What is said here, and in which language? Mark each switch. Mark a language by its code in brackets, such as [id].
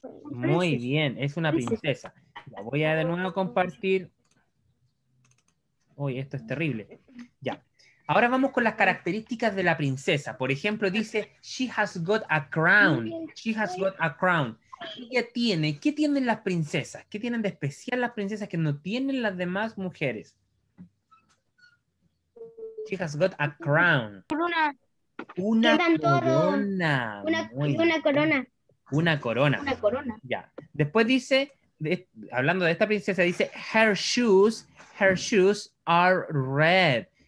[es] Muy bien, es una princesa. La voy a de nuevo compartir. Uy, esto es terrible. Ya. Ahora vamos con las características de la princesa. Por ejemplo, dice, [en] she has got a crown. She has got a crown. [es] Ella tiene, ¿qué tienen las princesas? ¿Qué tienen de especial las princesas que no tienen las demás mujeres? [en] She has got a crown. [es] Corona. Una corona. Una corona. Una corona. Ya. Después dice, hablando de esta princesa, dice, [en] her shoes are red.